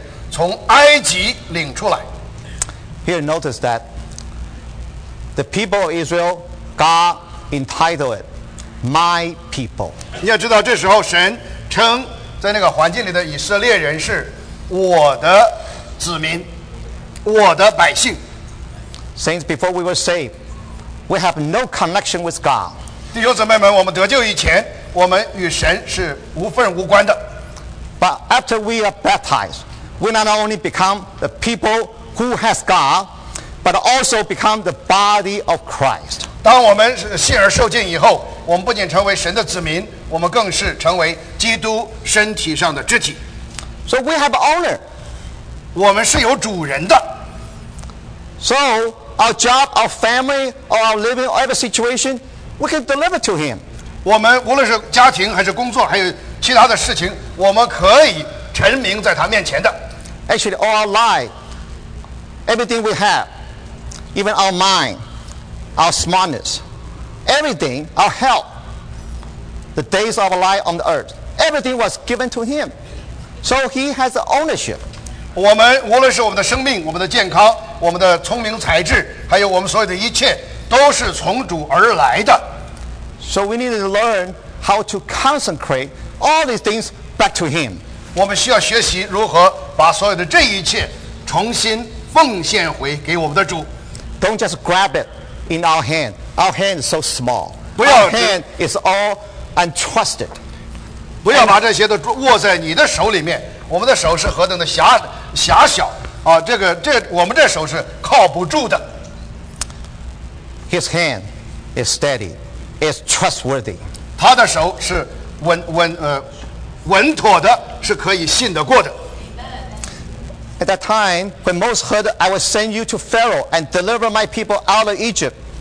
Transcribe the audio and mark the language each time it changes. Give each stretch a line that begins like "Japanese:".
Chinese: 神告诉摩西说，故此我要差你到法老那里，使你可以将我的百姓以色列人从埃及领出来。
English: Here, notice that the people of Israel, God entitle it, my people.
Chinese: 你要知道，这时候神称在那个环境里的以色列人是我的子民。我的百姓。
English: Saints, before we were saved, we have no connection with God.
Chinese: 弟兄姊妹们，我们得救以前，我们与神是无份无关的。
English: But after we are baptized, we not only become the people who has God, but also become the body of Christ.
Chinese: 当我们信而受浸以后，我们不仅成为神的子民，我们更是成为基督身体上的肢体。
English: So we have owner.
Chinese: 我们是有主人的。
English: So our job, our family, or our living, or every situation, we can deliver to Him.
Chinese: 我们无论是家庭还是工作，还有其他的事情，我们可以陈明在他面前的。
English: Actually, all our life, everything we have, even our mind, our smartness, everything, our health, the days of our life on the earth, everything was given to Him. So He has the ownership.
Chinese: 我们无论是我们的生命，我们的健康，我们的聪明才智，还有我们所有的一切，都是从主而来的。
English: So we need to learn how to concentrate all these things back to Him.
Chinese: 我们需要学习如何把所有的这一切重新奉献回给我们的主。
English: Don't just grab it in our hand. Our hand is so small. Our hand is all untrusted.
Chinese: 不要把这些都握在你的手里面。我们的手是何等的狭小啊！我们这手是靠不住的。
English: His hand is steady. It's trustworthy.
Chinese: 他的手是稳妥的，是可以信得过的。
English: At that time, when Moses heard, I will send you to Pharaoh and deliver my people out of Egypt.